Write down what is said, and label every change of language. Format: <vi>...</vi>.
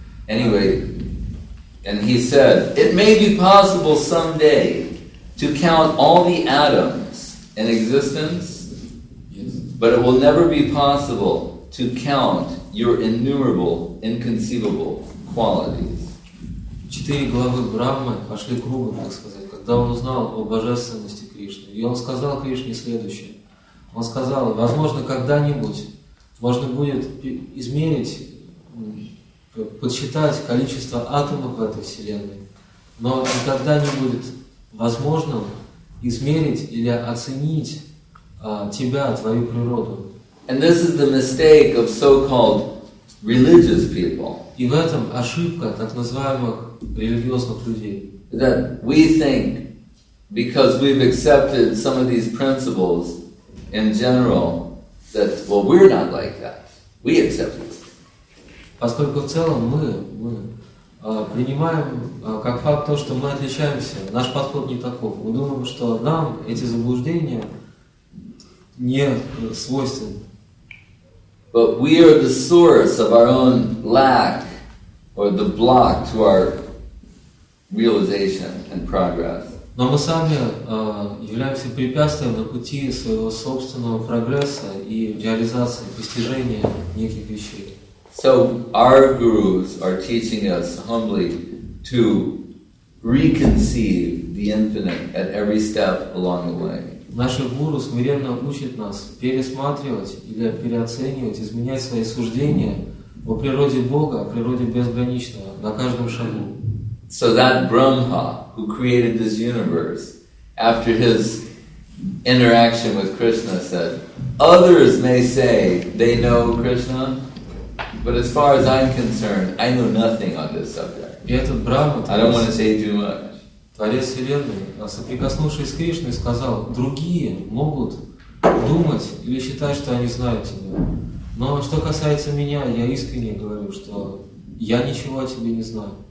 <en>Anyway, and he said, it may be possible someday to count all the atoms in existence, yes, but it will never be possible to count your innumerable, inconceivable qualities.</en> <ru>Четыре головы Брахмы пошли кругом, так сказать, когда он узнал о божественности Кришны. И он сказал Кришне следующее. Он сказал, возможно, когда-нибудь можно будет измерить, подсчитать количество атомов в этой Вселенной, но никогда не будет возможным измерить или оценить тебя, твою природу.</ru> <en>And this is the mistake of so-called religious people.</en> <ru>И в этом ошибка так называемых религиозных людей.</ru> <en>That we think, because we've accepted some of these principles in general, that, well, we're not like that. We accept it.</en> <ru>Поскольку в целом мы принимаем как факт то, что мы отличаемся, наш подход не таков. Мы думаем, что нам эти заблуждения не свойственны.</ru> <en>But we are the source of our own lack or the block to our realization and progress.</en> <ru>Но мы сами являемся препятствием на пути своего собственного прогресса и реализации, постижения неких вещей.</ru> <en>So our gurus are teaching us humbly to reconceive the infinite at every step along the way.</en> <ru>Наши гуру смиренно учат нас пересматривать или переоценивать, изменять свои суждения о природе Бога, о природе безграничного на каждом шагу.</ru> <en>So that Brahma, who created this universe, after his interaction with Krishna said, others may say they know Krishna, but as far as I'm concerned, I know nothing on this subject.</en> <ru>И этот Брахма,</ru> <en>I don't want to say too much.</en> <ru>Творец Вселенной, соприкоснувшись с Кришной, сказал, другие могут думать или считать, что они знают тебя. Но что касается меня, я искренне говорю, что я ничего о тебе не знаю.</ru>